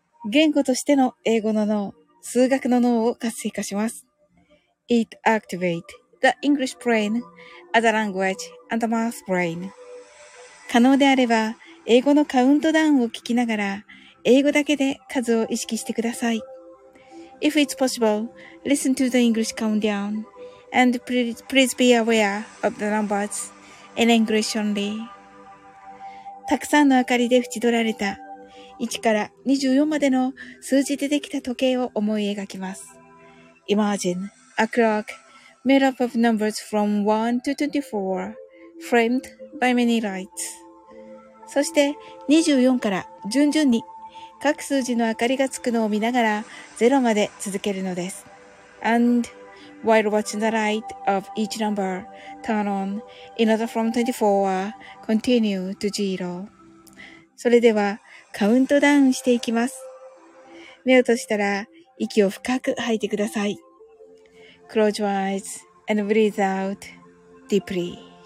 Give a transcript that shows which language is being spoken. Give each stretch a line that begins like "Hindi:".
Japanese: 言語としての英語の脳、数学の脳を活性化します。
English: It activates the English brain as a language and the math brain。
Japanese: 可能であれば、英語のカウントダウンを聞きながら、英語だけで数を意識してください。
English: If it's possible, listen to the English countdown. And please be aware of the numbers in English only.
Japanese: たくさんの明かりで縁取られた1から24までの数字でできた時計を思い描きます。
English: Imagine a clock made up of numbers from 1 to 24 framed by many lights.
Japanese: そして24から順々に各数字の明かりがつくのを見ながら0まで続けるのです。
English: AndWhile watching the light of each number turn on, in order from 24, continue to zero.
Japanese: それでは、カウントダウンしていきます。目を閉じたら、息を深く吐いてください。
English: Close your eyes and breathe out deeply.